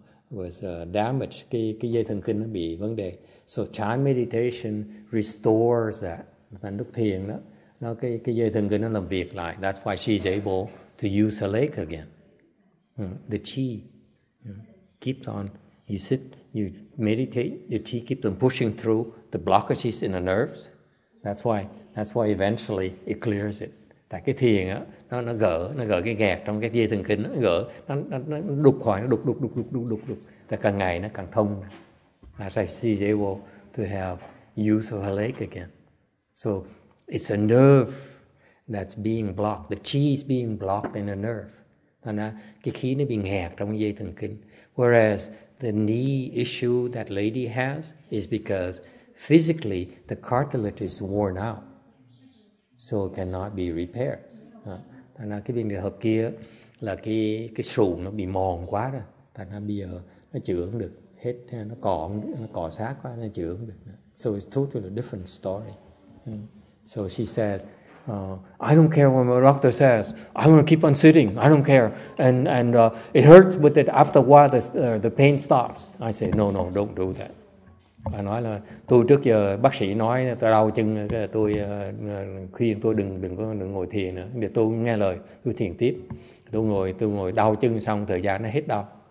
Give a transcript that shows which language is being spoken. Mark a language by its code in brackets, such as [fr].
[en] was damaged, [vi] cái dây thần kinh nó bị vấn đề. [en] So chan meditation restores that. [vi] Thành lúc thiền đó, nó cái dây thần kinh nó làm việc lại. [en] That's why she's able to use her leg again. The chi keeps on. You sit, you meditate, your chi keeps on pushing through the blockages in the nerves. That's why eventually it clears it. [vi] Tại cái thiền á, nó gỡ cái nghẹt trong cái dây thần kinh, nó gỡ, nó đục khỏi, nó đục. Tại càng ngày nó càng thông. [en] That's why she's able to have use of her leg again. So it's a nerve that's being blocked. The chi is being blocked in the nerve. [vi] And cái khí nó bị nghẹt trong dây thần kinh. [en] Whereas the knee issue that lady has is because physically the cartilage is worn out, so it cannot be repaired. [vi] Thành ra cái bên trường hợp kia là cái sụn nó bị mòn quá rồi. Thành ra bây giờ nó chữa không được hết, nó cọ xát quá nó chữa không được. [en] So it's totally a different story. So she says, I don't care what my doctor says. I'm going to keep on sitting. I don't care. And it hurts, but that after a while, the pain stops. I say, no, no, don't do that. [vi] Bà nói là, tôi trước giờ bác sĩ nói tôi đau chân, tôi khuyên tôi đừng ngồi thiền nữa. Để tôi nghe lời, tôi thiền tiếp. Tôi ngồi đau chân xong, thời gian nó hết đau.